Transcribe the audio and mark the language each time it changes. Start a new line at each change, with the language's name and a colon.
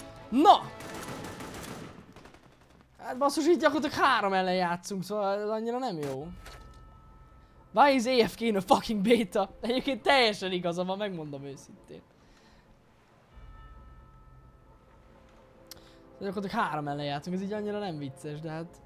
Hungarian: Na! Hát basszus, itt gyakorlatilag három ellen játszunk, szóval ez annyira nem jó.
English: Why is AFK in a fucking beta?
Hungarian: Egyébként teljesen igaza van, megmondom őszintén. Gyakorlatilag három ellen játszunk, ez így annyira nem vicces, de hát...